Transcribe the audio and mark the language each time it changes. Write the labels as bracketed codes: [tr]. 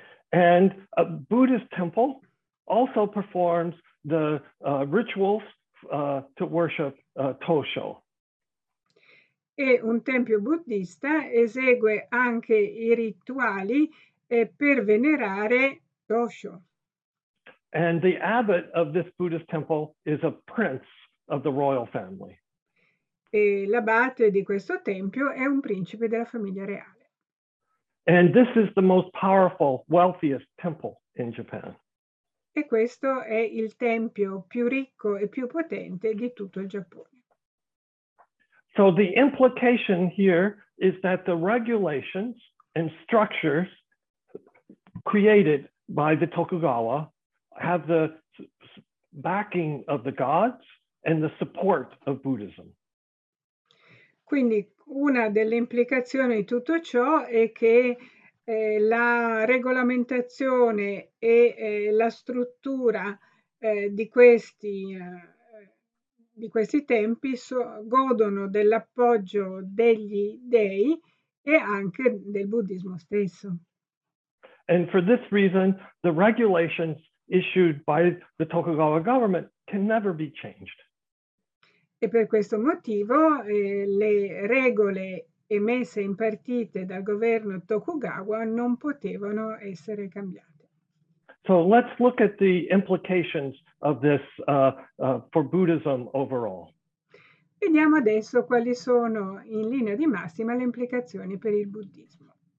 [en] And a Buddhist temple also performs the rituals to worship Tosho. [it] E un tempio buddista esegue anche i rituali per venerare Tosho. [en] And the abbot of this Buddhist temple is a prince of the royal family. [it] E l'abate di questo tempio è un principe della famiglia reale. [en] And this is the most powerful, wealthiest temple in Japan. [it] E questo è il tempio più ricco e più potente di tutto il Giappone. [en] So the implication here is that the regulations and structures created by the Tokugawa have the backing of the gods and the support of Buddhism. [it] Quindi una delle implicazioni di tutto ciò è che la regolamentazione e la struttura di questi tempi godono dell'appoggio degli dei e anche del buddismo stesso. [en] And for this reason, the regulations issued by the Tokugawa government can never be changed. [it] E per questo motivo le regole emesse e impartite dal governo Tokugawa non potevano essere cambiate. [en] So let's look at the implications of this for Buddhism overall. [it] Vediamo adesso quali sono in linea di massima le implicazioni per il buddismo.